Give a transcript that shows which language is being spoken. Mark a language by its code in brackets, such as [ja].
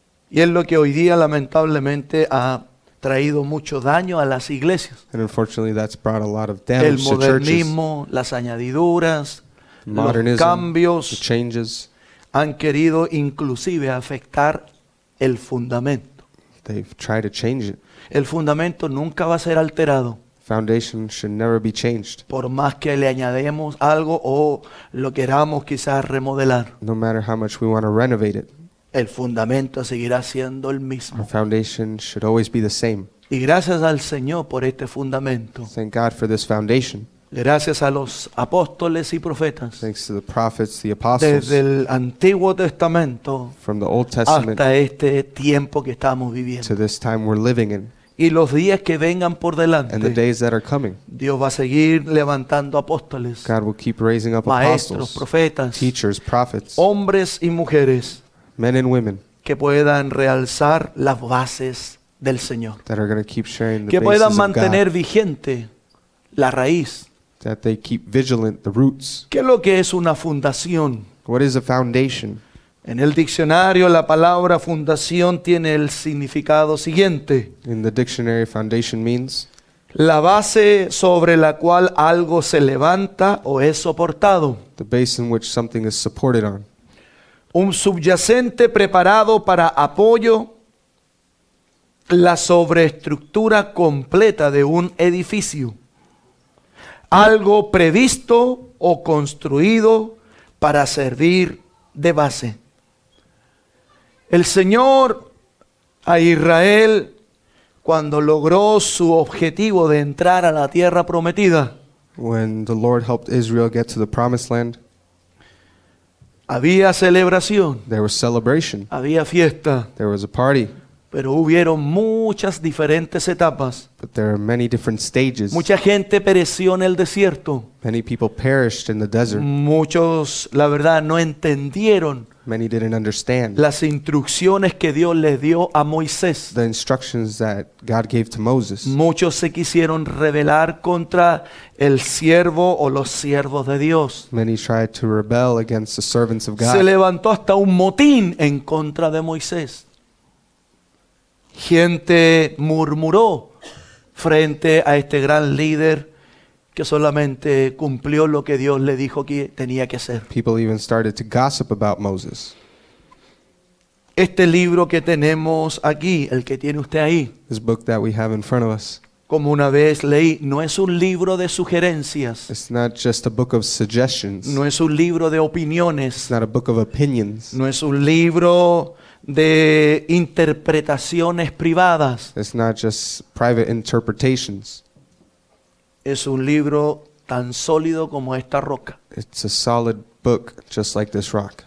[es] Y es lo que hoy día lamentablemente ha traído mucho daño a las iglesias. [en] And unfortunately that's brought a lot of damage to churches. [es] El modernismo, las añadiduras, los cambios, [en] the changes, [es] han querido inclusive afectar el fundamento. [en] They've tried to change it. [es] El fundamento nunca va a ser alterado. [en] Foundation should never be changed. [es] Por más que le añadamos algo o lo queramos quizás remodelar. [en] No matter how much we want to renovate it. [es] El fundamento seguirá siendo el mismo. [en] Our foundation should always be the same. [es] Y gracias al Señor por este fundamento. [en] Thank God for this foundation. [es] Gracias a los apóstoles y profetas. [en] Thanks to the prophets, the apostles. [es] Desde el Antiguo Testamento. [en] From the Old Testament. [es] Hasta este tiempo que estamos viviendo. [en] To this time we're living in. [es] Y los días que vengan por delante. [en] And the days that are coming. [es] Dios va a seguir levantando apóstoles. [en] God will keep raising up [es] maestros, [en] apostles, [es] profetas. [en] Teachers, prophets. [es] Hombres y mujeres. [en] Men and women. [es] Que puedan realzar las bases del Señor. [en] That are going to keep sharing the bases of [es] God. Que puedan mantener vigente la raíz. [en] That they keep vigilant the roots. [es] ¿Qué es lo que es una fundación? [en] What is a foundation? [es] En el diccionario la palabra fundación tiene el significado siguiente. [en] In the dictionary, foundation means [es] la base sobre la cual algo se levanta o es soportado. [en] The base in which something is supported on. [es] Un subyacente preparado para apoyo, la sobreestructura completa de un edificio. Algo previsto o construido para servir de base. El Señor a Israel, cuando logró su objetivo de entrar a la tierra prometida, [en] when the Lord helped Israel get to the promised land, [es] había celebración. [en] There was celebration. [es] Había fiesta. [en] There was a party. [es] Pero hubieron muchas diferentes etapas. [en] But there are many different stages. [es] Mucha gente pereció en el desierto. [en] Many people perished in the desert. [es] Muchos, la verdad, no entendieron. [en] Many didn't understand. [es] Las instrucciones que Dios les dio a Moisés. [en] The instructions that God gave to Moses. [es] Muchos se quisieron rebelar contra el siervo o los siervos de Dios. [en] Many tried to rebel against the servants of God. [es] Se levantó hasta un motín en contra de Moisés. Gente murmuró frente a este gran líder que solamente cumplió lo que Dios le dijo que tenía que hacer. [en] People even started to gossip about Moses. [es] Este libro que tenemos aquí, el que tiene usted ahí. [en] This book that we have in front of us. [es] Como una vez leí, no es un libro de sugerencias. [en] It's not just a book of suggestions. [es] No es un libro de opiniones. [en] It's not a book of opinions. [es] No es un libro de interpretaciones privadas. [en] It's not just private interpretations. [es] Es un libro tan sólido como esta roca. [en] It's a solid book just like this rock.